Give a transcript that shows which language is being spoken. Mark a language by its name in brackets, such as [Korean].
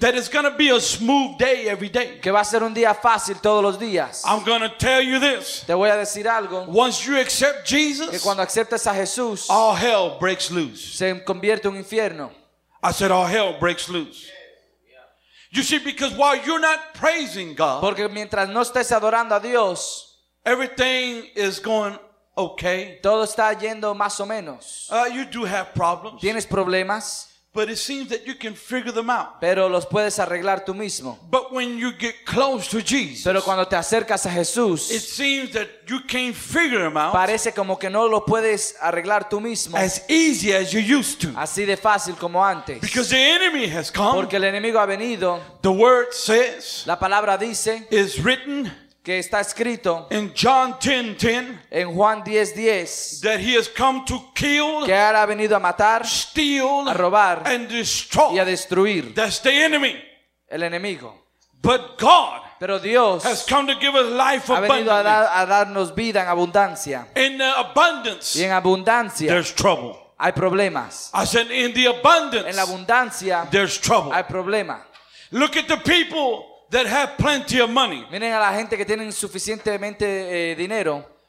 [English] That it's going to be a smooth day every day. [Spanish] Que va a ser un día fácil todos los días. [English] I'm going to tell you this. [Spanish] Te voy a decir algo. [English] Once you accept Jesus. [Spanish] Que cuando aceptas a Jesús. [English] All hell breaks loose. [Spanish] Se convierte un infierno. [English] I said all hell breaks loose. You see, because while you're not praising God, [Spanish] porque mientras no estés adorando a Dios, [English] everything is going okay. [Spanish] Todo está yendo más o menos. [English] You do have problems. [Spanish] Tienes problemas. [English] But it seems that you can figure them out. [Spanish] Pero los puedes arreglar tú mismo. [English] But when you get close to Jesus, [Spanish] pero cuando te acercas a Jesús, [English] it seems that you can't figure them out. [Spanish] Parece como que no lo puedes arreglar tú mismo. [English] As easy as you used to. [Spanish] Así de fácil como antes. [English] Because the enemy has come. [Spanish] Porque el enemigo ha venido. [English] The word says. [Spanish] La palabra dice. [English] Is written. [Spanish] Que está escrito [English] in John 10, 10, [Spanish] en Juan 10, 10 [English] that he has come to kill, [Spanish] que ahora ha venido a matar, [English] steal, [Spanish] a robar [English] and destroy. [Spanish] Y a destruir. [English] That's the enemy. [Spanish] El enemigo. [English] But God, [Spanish] pero Dios [English] has come to give us life [Spanish] ha venido a darnos vida en abundancia. [English] In the abundance, [Spanish] y en abundancia [English] there's trouble. [Spanish] Hay problemas. [English] I said, in the abundance, [Spanish] en la abundancia [English] there's trouble. [Spanish] Hay problema. [English] Look at the people that have plenty of money. [Spanish] Miren a la gente que tienen suficientemente dinero.